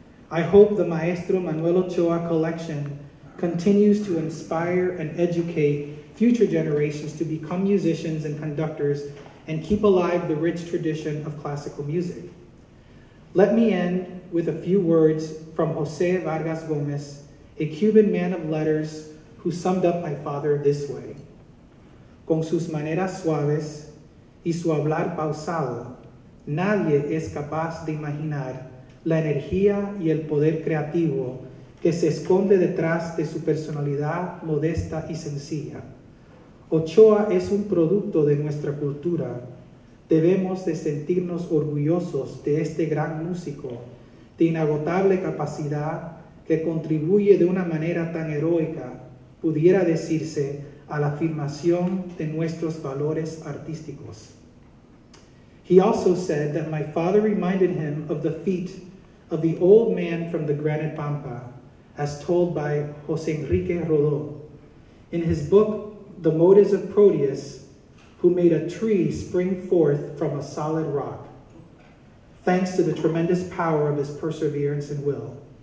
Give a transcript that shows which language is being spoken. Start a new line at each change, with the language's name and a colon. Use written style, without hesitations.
English: I hope the Maestro Manuel Ochoa collection continues to inspire and educate future generations to become musicians and conductors and keep alive the rich tradition of classical music. Let me end with a few words from Jose Vargas Gomez, a Cuban man of letters who summed up my father this way.
Spanish: Con sus maneras suaves y su hablar pausado, nadie es capaz de imaginar la energía y el poder creativo que se esconde detrás de su personalidad modesta y sencilla. Ochoa es un producto de nuestra cultura. Debemos de sentirnos orgullosos de este gran músico, de inagotable capacidad que contribuye de una manera tan heroica, pudiera decirse, a la afirmación de nuestros valores artísticos.
English: He also said that my father reminded him of the feet of the old man from the Granite Pampa, as told by José Enrique Rodó. In his book, The Motives of Proteus, who made a tree spring forth from a solid rock, thanks to the tremendous power of his perseverance and will.